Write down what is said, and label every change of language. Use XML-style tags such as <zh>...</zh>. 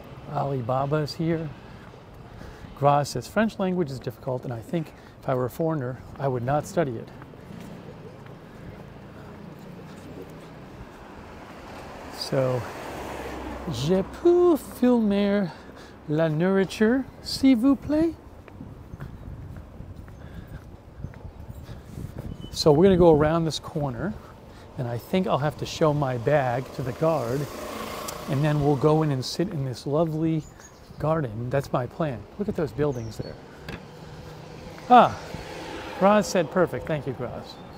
<en>Alibaba is here. Gras says, French language is difficult, and I think if I were a foreigner, I would not study it.</en> <fr>So, je peux filmer la nourriture, s'il vous plaît?</fr> <en>So we're going to go around this corner, and I think I'll have to show my bag to the guard. And then we'll go in and sit in this lovely garden. That's my plan. Look at those buildings there. Ah, Graz said perfect. Thank you, Graz.</en>